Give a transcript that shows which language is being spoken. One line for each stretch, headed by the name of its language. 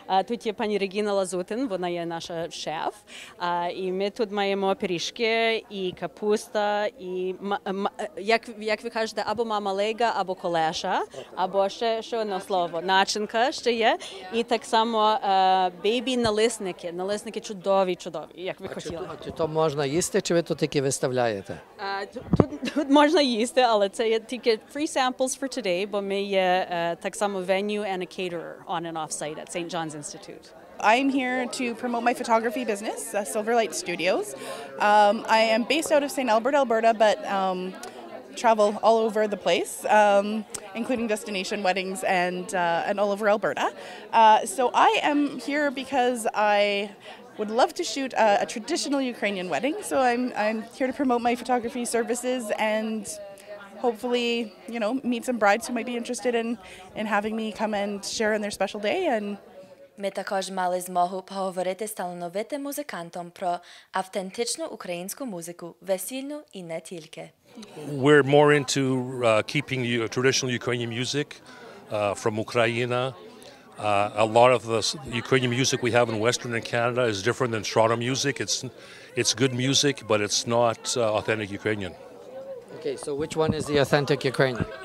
Ukrainian: Тут є пані Регіна Лазутин, вона є наша шеф. І ми тут маємо пиріжки, і капуста, і, як ви кажете, або мама лейга, або колеша, або ще одне слово, начинка ще є. І так само бейбі-налисники. Налисники чудові, як ви хотіли. Чи то можна їсти, чи ви тут тільки виставляєте? Тут можна їсти, але це є тільки
English: free samples for today,
Ukrainian: бо ми є так само
English: venue and a caterer on and off site at St. John's Institute. I'm here to promote my photography business, Silverlight Studios. I am based out of St. Albert, Alberta, but travel all over the place, including destination weddings and all over Alberta. So I am here because I would love to shoot a traditional Ukrainian wedding, so I'm here to promote my photography services and hopefully, you know, meet some brides who might be interested in having me come and share in their special day. And
Ukrainian: ми також мали змогу поговорити з талановитим музикантом про автентичну українську музику, весільну і не тільки.
English: We're more into keeping the traditional Ukrainian music from Ukraine. A lot of the Ukrainian music we have in Western and Canada is different than Toronto music. It's good music, but it's not authentic Ukrainian. Okay, so which one is the authentic Ukrainian?